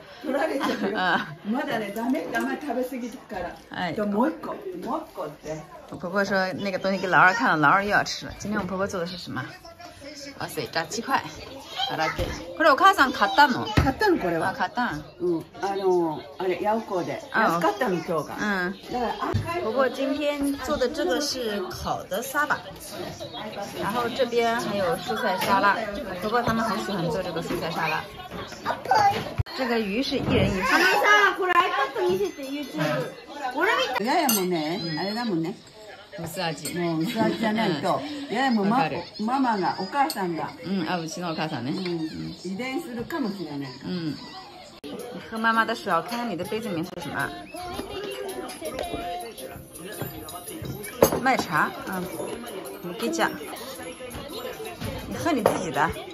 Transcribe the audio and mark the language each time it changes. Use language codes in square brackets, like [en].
[ja] 取られてる。まだね、ダメ、ダメ食べ過ぎてから。もう一個、もう一個って。 [zh] 我婆婆说那个东西给老二看了，老二又要吃了。今天我婆婆做的是什么？哇塞，炸鸡块。好了，给。 [ja] これお母さん買ったの？買ったのこれは。買ったの。あれヤオコで。安かったの今日が。 [zh] 婆婆今天做的这个是烤的沙巴，然后这边还有蔬菜沙拉。婆婆他们很喜欢做这个蔬菜沙拉。这个鱼是一人一份。 [ja] 妈妈，これ iPad 見せて YouTube。俺見た。ややもね、あれだもね。薄味。もう薄味じゃないと。ややもママが、お母さんが。うちのお母さんね。遺伝するかもしれない。 [zh] 喝妈妈的水，看看你的杯子里面是什么。麦茶，我给讲，你喝你自己的。